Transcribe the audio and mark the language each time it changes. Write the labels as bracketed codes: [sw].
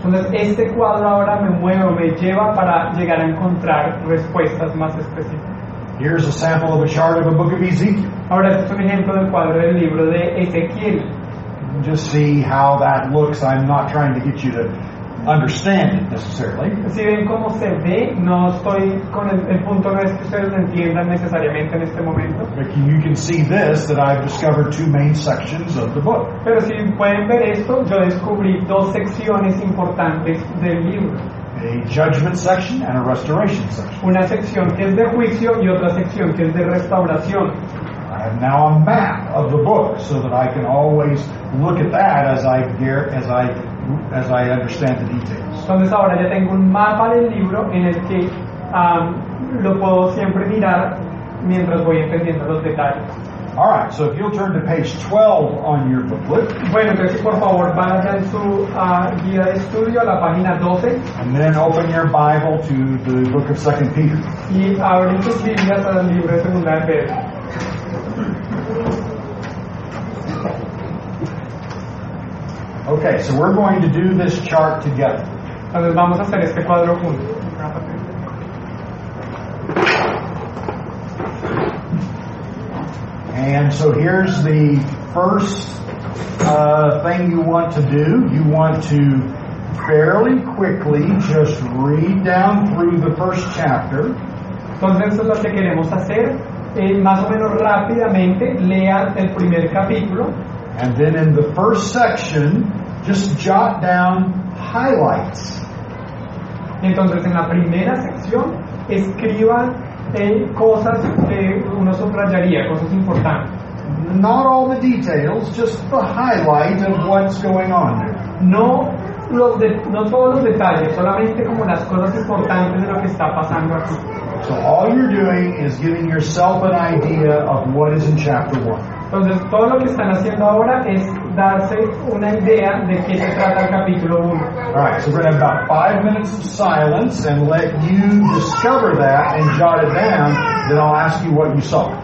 [es] Entonces este cuadro ahora me lleva para llegar a encontrar respuestas más específicas. [en] Here's a sample of a chart of a book of Ezekiel. [es] Ahora este es un ejemplo del cuadro del libro de Ezequiel. [en] Just see how that looks. I'm not trying to get you to understand it necessarily. [es] Si ven cómo se ve, no estoy con el punto no es que ustedes lo entiendan necesariamente en este momento. [en] But you can see this that I've discovered two main sections of the book. [es] Pero si pueden ver esto, yo descubrí dos secciones importantes del libro. [en] A judgment section and a restoration section. [es] Una sección que es de juicio y otra sección que es de restauración. [en] I have now a map of the book so that I can always look at that as I understand the details. [es] Entonces ahora ya tengo un mapa del libro en el que lo puedo siempre mirar mientras voy entendiendo los detalles. [en] All right, so if you'll turn to page 12 on your booklet. [es] Bueno, entonces por favor vaya en su guía de estudio a la página 12. [en] And then open your Bible to the book of 2 Peter. [es] Y abrir sus Biblias al libro de Segunda de Pedro. [en] Okay, so we're going to do this chart together. [es] Entonces vamos a hacer este cuadro juntos. [en] And so here's the first thing you want to do. You want to fairly quickly just read down through the first chapter. [es] Entonces eso es lo que queremos hacer. Más o menos rápidamente, lea el primer capítulo. [en] And then in the first section, just jot down highlights. [es] Entonces en la primera sección, escriba cosas que uno subrayaría, cosas importantes. [en] Not all the details, just the highlight of what's going on. [es] No todos los detalles, solamente como las cosas importantes de lo que está pasando aquí. [en] So all you're doing is giving yourself an idea of what is in chapter 1. [es] Entonces todo lo que están haciendo ahora es darse una idea de qué se trata el capítulo 1. [en] All right, so we're going to have about 5 minutes of silence and let you discover that and jot it down, then I'll ask you what you saw.